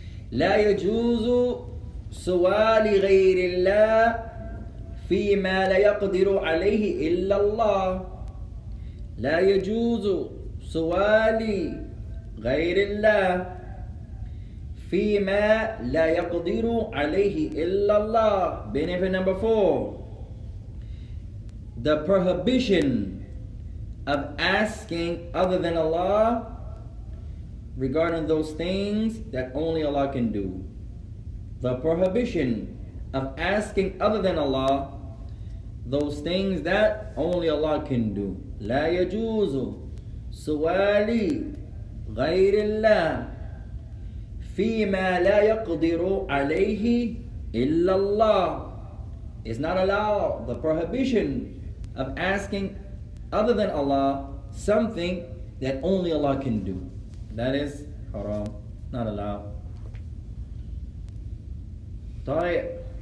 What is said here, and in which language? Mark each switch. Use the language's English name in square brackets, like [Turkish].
[Arabic] لا يجوز سؤال غير الله فيما لا يقدر عليه إلا الله. لا يجوز سؤال غير الله فيما لا يقدر عليه إلا الله. [English] Benefit number 4. The prohibition of asking other than Allah regarding those things that only Allah can do. The prohibition of asking other than Allah those things that only Allah can do. [Arabic] لا يجوز سؤال غير الله فيما لا يقدر عليه إلا الله. [English] It's not allowed, the prohibition of asking other than Allah something that only Allah can do. That is haram, not allowed. [Arabic] طيب.